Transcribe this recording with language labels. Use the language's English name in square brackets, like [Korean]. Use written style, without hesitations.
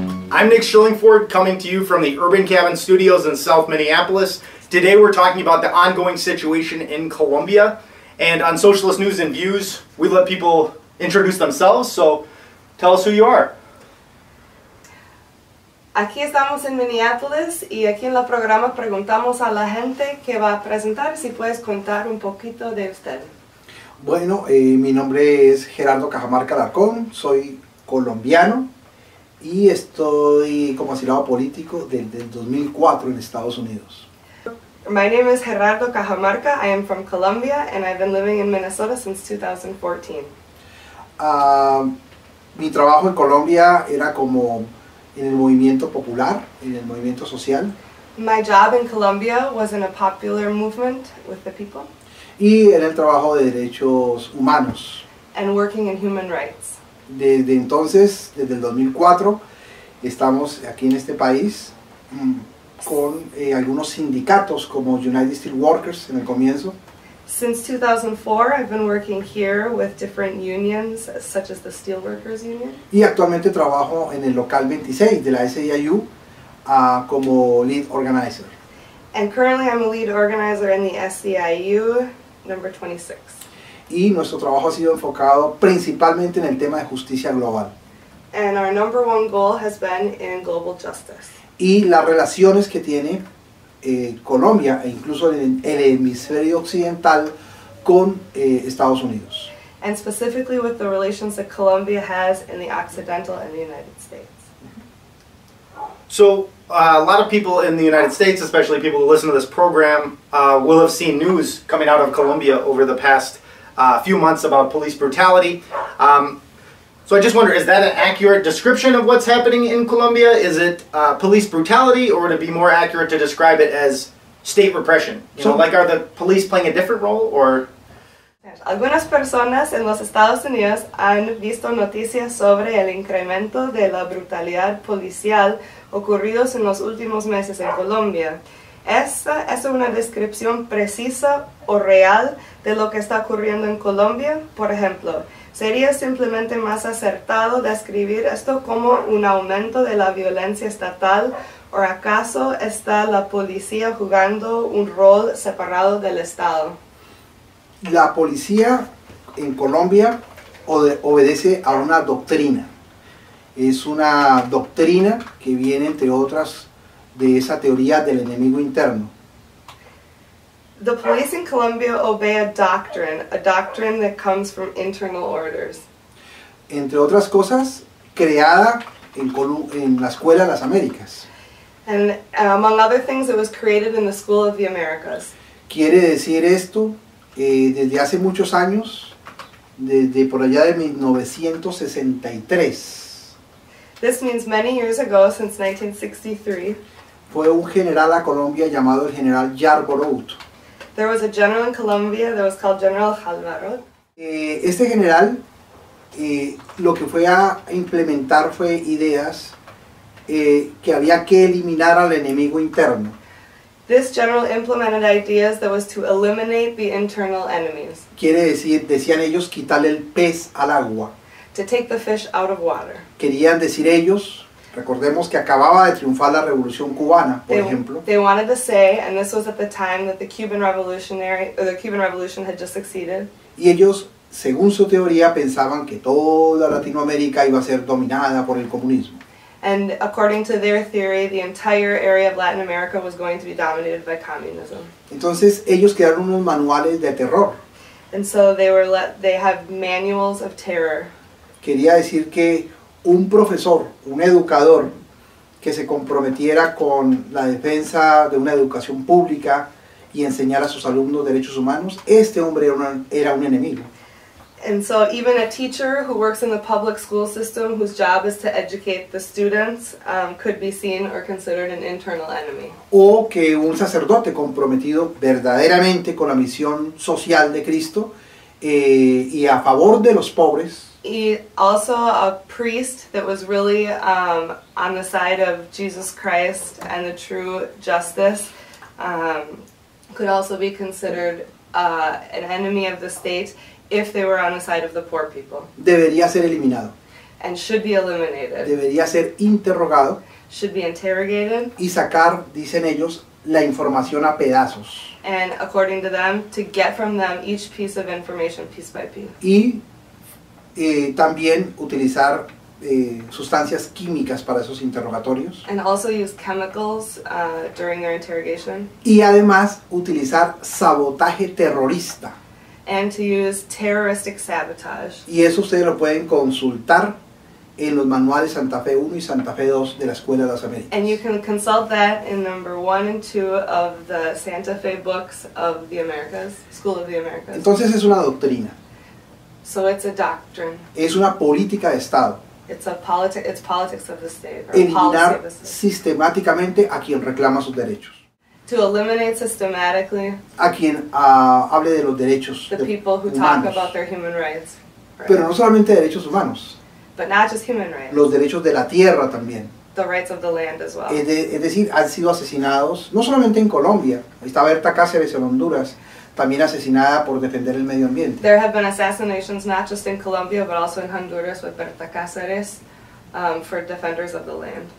[English] I'm Nick Schillingford, coming to you from the Urban Cabin Studios in South Minneapolis. Today we're talking about the ongoing situation in Colombia. And on Socialist News and Views, we let people introduce themselves. So tell us who you are. [Spanish] Aquí estamos en Minneapolis y aquí en el programa preguntamos a la gente que va a presentar si puedes contar un poquito de usted. Bueno, mi nombre es Gerardo Cajamarca Alarcón, soy colombiano y estoy como asilado político desde el 2004 en Estados Unidos. [English] My name is Gerardo Cajamarca, I am from Colombia and I've been living in Minnesota since 2014. [Spanish] Mi trabajo en Colombia era como en el movimiento popular, en el movimiento social. [English] My job in Colombia was in a popular movement with the people. [Spanish] Y en el trabajo de derechos humanos. [English] And working in human rights. [Spanish] Desde entonces, desde el 2004, estamos aquí en este país con algunos sindicatos como United Steel Workers en el comienzo. [English] Since 2004, I've been working here with different unions, such as the Steelworkers Union. [Spanish] Y actualmente trabajo en el local 26 de la SEIU como lead organizer. [English] And currently I'm a lead organizer in the SEIU number 26. [Spanish] Y nuestro trabajo ha sido enfocado principalmente en el tema de justicia global. [English] And our number one goal has been in global justice. [Spanish] Y las relaciones que tiene Colombia e incluso el hemisferio occidental con Estados Unidos. [English] And specifically with the relations that Colombia has in the Occidental and the United States. So a lot of people in the United States, especially people who listen to this program, will have seen news coming out of Colombia over the past few months about police brutality. So I just wonder, is that an accurate description of what's happening in Colombia? Is it police brutality, or would it be more accurate to describe it as state repression? You know, like, are the police playing a different role, or? [Spanish] Algunas personas en los Estados Unidos han visto noticias sobre el incremento de la brutalidad policial ocurridos en los últimos meses en Colombia. ¿Es una descripción precisa o real de lo que está ocurriendo en Colombia? Por ejemplo, ¿sería simplemente más acertado describir esto como un aumento de la violencia estatal o acaso está la policía jugando un rol separado del Estado? La policía en Colombia obedece a una doctrina. Es una doctrina que viene, entre otras, de esa teoría del enemigo interno. [English] The police in Colombia obey a doctrine that comes from internal orders. [Spanish] Entre otras cosas, creada en la Escuela de las Américas. [English] And among other things, it was created in the School of the Americas. [Spanish] Quiere decir esto, desde hace muchos años, desde por allá de 1963. [English] This means many years ago, since 1963. [Spanish] Fue un general a Colombia llamado el general Yarborough. [English] There was a general in Colombia that was called General Alvaro. [Spanish] Este general, lo que fue a implementar fue ideas que había que eliminar al enemigo interno. [English] This general implemented ideas that was to eliminate the internal enemies. [Spanish] Quiere decir, decían ellos, quitarle el pez al agua. [English] To take the fish out of water. [Spanish] Querían decir ellos, recordemos que acababa de triunfar la Revolución Cubana, por ejemplo. [English] They wanted to say, and this was at the time that the Cuban Revolution had just succeeded. [Spanish] Y ellos, según su teoría, pensaban que toda Latinoamérica iba a ser dominada por el comunismo. [English] And according to their theory, the entire area of Latin America was going to be dominated by communism. [Spanish] Entonces, ellos crearon unos manuales de terror. [English] And so they have manuals of terror. [Spanish] Quería decir que un profesor, un educador, que se comprometiera con la defensa de una educación pública y enseñar a sus alumnos derechos humanos, este hombre era un enemigo. [English] And so even a teacher who works in the public school system, whose job is to educate the students, could be seen or considered an internal enemy. [Spanish] O que un sacerdote comprometido verdaderamente con la misión social de Cristo y a favor de los pobres. [English] He also a priest that was really on the side of Jesus Christ and the true justice could also be considered an enemy of the state if they were on the side of the poor people. [Spanish] Debería ser eliminado. [English] And should be eliminated. [Spanish] Debería ser interrogado. [English] Should be interrogated. [Spanish] Y sacar, dicen ellos, la información a pedazos. [English] And according to them, to get from them each piece of information piece by piece. [Spanish] Y también utilizar sustancias químicas para esos interrogatorios. [English] And also use chemicals during their interrogation. [Spanish] Y además utilizar sabotaje terrorista. [English] And to use terroristic sabotage. [Spanish] Y eso ustedes lo pueden consultar en los manuales Santa Fe 1 y Santa Fe 2 de la Escuela de las Américas. [English] And you can consult that in number 1 and 2 of the Santa Fe books of the Americas, School of the Americas. [Spanish] Entonces es una doctrina. [English] So it's a doctrine. [Spanish] Es una política de Estado. [English] It's politics of the state. [Spanish] Eliminar sistemáticamente a quien reclama sus derechos. [English] To eliminate systematically. [Spanish] A quien hable de los derechos humanos. [English] The people who talk about their human rights. [Spanish] Pero no solamente derechos humanos. [English] But not just human rights. [Spanish] Los derechos de la tierra también. [English] The rights of the land as well. [Spanish] Es decir, han sido asesinados, no solamente en Colombia. Ahí está Berta Cáceres en Honduras, también asesinada por defender el medio ambiente. [English] There have been assassinations not just in Colombia, but also in Honduras with Berta Cáceres, for defenders of the land.